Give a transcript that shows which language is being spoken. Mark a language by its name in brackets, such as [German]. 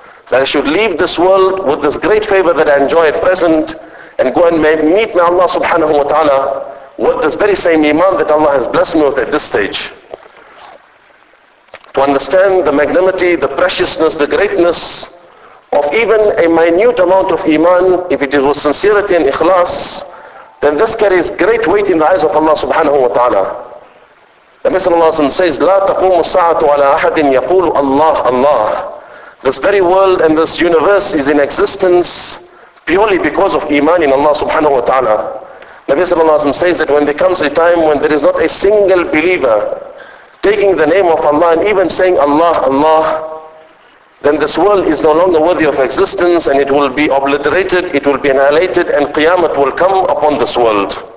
[English] That I should leave this world with this great favor that I enjoy at present and go and meet my Allah subhanahu wa ta'ala with this very same Iman that Allah has blessed me with at this stage. To understand the magnanimity, the preciousness, the greatness of even a minute amount of Iman, if it is with sincerity and ikhlas, then this carries great weight in the eyes of Allah subhanahu wa ta'ala. The Messenger of Allah says, [Arabic] لا تقوم الساعة على أحد يقول الله الله. [English] This very world and this universe is in existence purely because of Iman in Allah subhanahu wa ta'ala. Nabi sallallahu alayhi wa sallam says that when there comes a time when there is not a single believer taking the name of Allah and even saying Allah, Allah, then this world is no longer worthy of existence and it will be obliterated, it will be annihilated, and Qiyamah will come upon this world.